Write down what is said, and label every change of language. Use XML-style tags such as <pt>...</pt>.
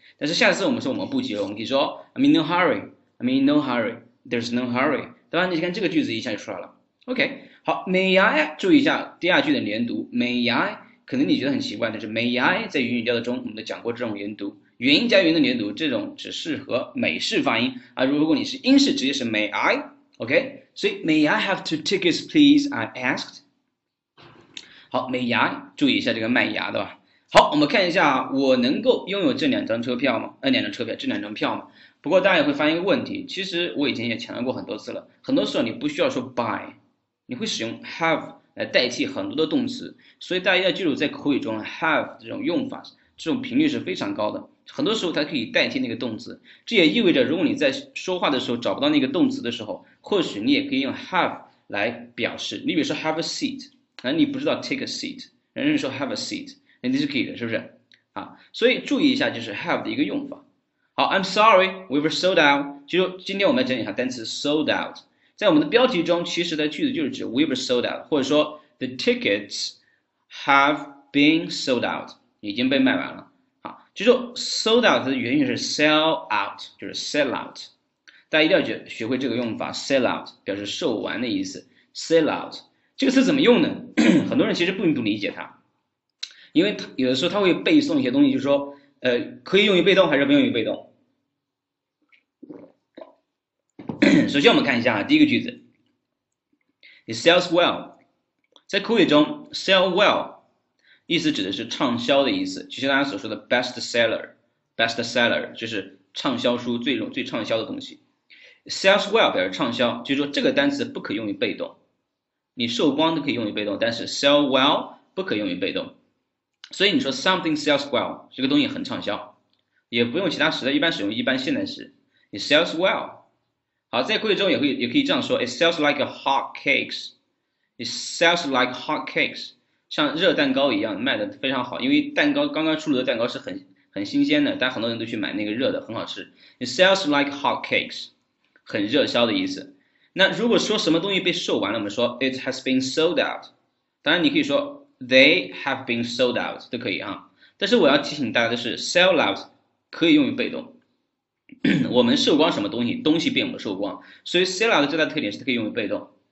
<zh>但是下次我们说我们不急了，我们可以说</zh> <en>I'm in no hurry，</en> <zh>I'm in no hurry，there's no hurry，对吧？你看这个句子一下就出来了。</zh> <en>OK，好，May I？</en> <zh>注意一下第二句的连读，May I？ 可能你觉得很奇怪，但是 May I 在英语教的中，我们都讲过这种连读，元音加元的连读，这种只适合美式发音啊。如果你是英式，直接是</zh> <en>May I？OK，所以 May I have two tickets, please? I asked。 好，May I？</en> <zh>注意一下这个麦芽，对吧？好，我们看一下，我能够拥有这两张车票吗？两张车票，这两张票吗？不过大家也会发现一个问题，其实我以前也强调过很多次了，很多时候你不需要说 buy。你会使用 have 来代替很多的动词，所以大家要记住，在口语中 have 这种用法，这种频率是非常高的。很多时候它可以代替那个动词，这也意味着，如果你在说话的时候找不到那个动词的时候，或许你也可以用 have 来表示。你比如说 have a seat，那你不知道 take a seat，人家说 have a seat，那你是可以的，是不是？啊，所以注意一下，就是 have 的一个用法。</zh> <en>好，I'm sorry，we were sold out。</en> <zh>就今天我们来整理一下单词 sold out。在我们的标题中，其实的句子就是指 we were sold out，或者说</zh> <en>the tickets have been sold out，</en> <zh>已经被卖完了。好，就说 sold out 它的原意是 sell out，就是 sell out。大家一定要学会这个用法，sell out 表示售完的意思，sell out 这个词怎么用呢 很多人其实并不理解它，因为有的时候它会背诵一些东西，就是说，可以用于被动还是不用于被动。首先，我们看一下啊，第一个句子，It sells well。在口语中，sell well 意思指的是畅销的意思，就像大家所说的 bestseller 就是畅销书最畅销的东西。 Sells well 表示畅销，就是说这个单词不可用于被动。你售光都可以用于被动，但是 sell well 不可用于被动。所以你说 something sells well 这个东西很畅销，也不用其他时态，一般使用一般现在时。</zh> <en>It sells well。</en> <zh>好，在贵州也可以这样说，</zh> <en>It sells like a hot cakes。 It sells like hot cakes，</en> <zh>像热蛋糕一样卖得非常好，因为蛋糕刚刚出炉的蛋糕是很新鲜的，但很多人都去买那个热的，很好吃。 It sells like hot cakes，很热销的意思。那如果说什么东西被售完了，我们说</zh> <en>It has been sold out。</en> <zh>当然，你可以说</zh> <en>They have been sold out</en> <zh>都可以啊。但是我要提醒大家的是，sell out 可以用于被动。我们售光什么东西？东西并不售光，所以 sell out 的最大特点是它可以用于被动。</zh>